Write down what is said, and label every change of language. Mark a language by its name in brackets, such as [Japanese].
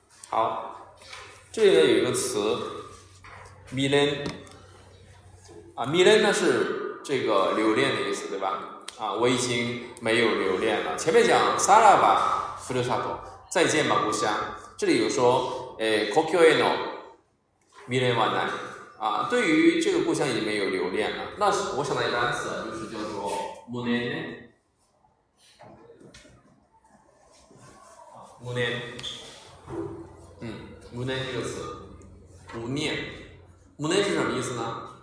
[Chinese] 好，这里呢有一个词，未練啊，未練呢是这个留恋的意思，对吧？啊，我已经没有留恋了。前面讲 [Japanese] さらば故郷， [Chinese] 再见吧故乡。这里有说， [Japanese] 故郷への未練はない。 [Chinese] 啊，对于这个故乡已经没有留恋了。那我想到一个单词，就是叫做無念。無念。嗯，無念这个词，無念。無念是什么意思呢？